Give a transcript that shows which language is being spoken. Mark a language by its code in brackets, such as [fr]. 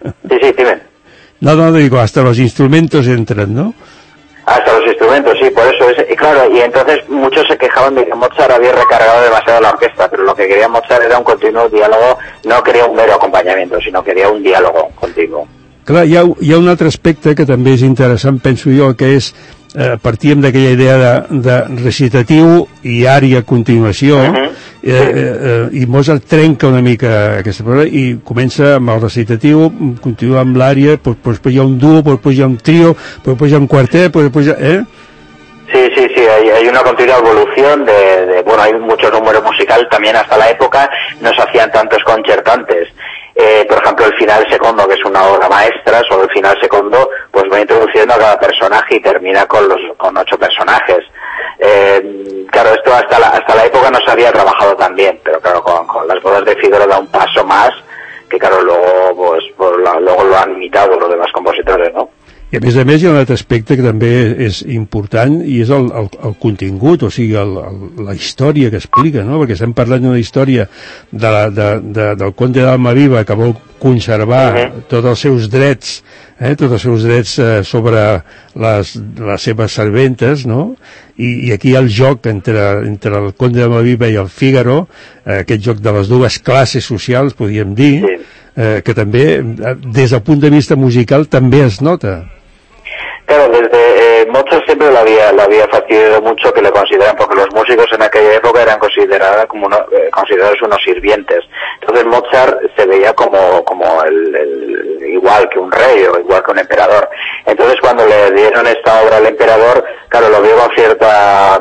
[es] Sí, dime. No, digo, hasta los instrumentos entran, ¿no? Hasta los instrumentos, sí, por eso es... Y claro, y entonces muchos se quejaban de que Mozart había recargado demasiado la orquesta, pero lo que quería Mozart era un continuo diálogo, no quería un mero acompañamiento, sino quería un diálogo continuo. [ca] Clar, hi ha un altre aspecte que també és interessant, penso jo, que és, partíem d'aquella idea de recitatiu i ària a continuació, i Mozart trenca una mica aquesta prova i comença amb el recitatiu, continua amb l'ària, després hi ha un duo, després hi ha un trio, després hi ha un quartet, després hi ha... [es] Sí, hay una continua evolución de bueno, hay mucho número musical, también hasta la época no se hacían tantos concertantes. Por ejemplo, el final segundo, que es una obra maestra, sobre el final segundo, pues va introduciendo a cada personaje y termina con ocho personajes. Claro, esto hasta la época no se había trabajado tan bien, pero claro, con las bodas de Figaro da un paso más, que claro, luego lo han imitado los demás compositores, ¿no? [ca] I a més hi ha un altre aspecte que també és important i és el contingut, o sigui, la història que explica, no? Perquè estem parlant d'una història del conte d'Alma Viva que vol conservar tots els seus drets, tots els seus drets sobre les seves serventes, no? I aquí hi ha el joc entre el conte d'Alma Viva i el Fígaro, aquest joc de les dues classes socials, podríem dir, que també, des del punt de vista musical, també es nota. [es] Claro, desde Mozart siempre lo había fastidiado mucho que le consideran, porque los músicos en aquella época eran considerados unos sirvientes. Entonces Mozart se veía como el igual que un rey o igual que un emperador. Entonces cuando le dieron esta obra al emperador, claro, lo vio con cierta...